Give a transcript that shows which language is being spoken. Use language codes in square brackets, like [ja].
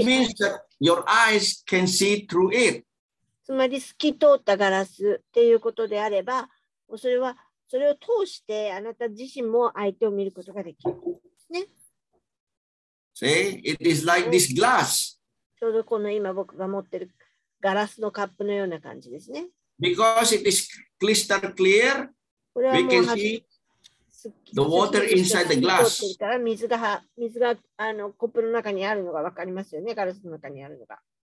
[en] it means that your eyes can see through it. [ja] つまり透き通ったガラスっていうことであれば、それはそれを通してあなた自身も相手を見ることができるね。 [en] See, it is like this glass. [ja] ちょうどこの今僕が持ってるガラスのカップのような感じですね。 [en] Because it is crystal clear, we can see the water inside the glass. [ja] だから水がコップの中にあるのがわかりますよね、ガラスの中にあるのが。